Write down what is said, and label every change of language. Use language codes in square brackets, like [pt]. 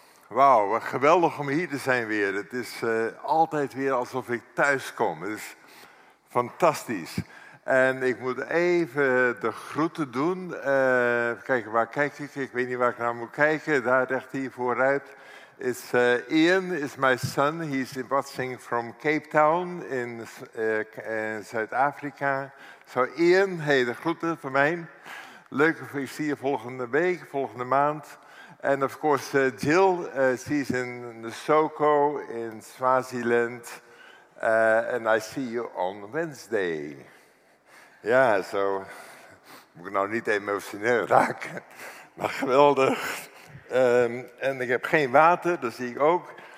[nl] Wauw, geweldig om hier te zijn weer. Het is altijd weer alsof ik thuis kom. Het is fantastisch. En ik moet even de groeten doen. Even kijken, waar kijk ik? Ik weet niet waar ik naar moet kijken. Daar recht hier vooruit. [en] It's Ian is my son. He's watching from Cape Town in Zuid-Afrika. So [nl] Ian, hey, de groeten van mij. Leuk, ik zie je volgende week, volgende maand. [en] And of course Jill, she's in Nsoko in Swaziland. And I see you on Wednesday. Ja, yeah, zo. [nl] Moet ik nou niet emotioneel raken. Maar geweldig. En ik heb geen water, dat zie ik ook.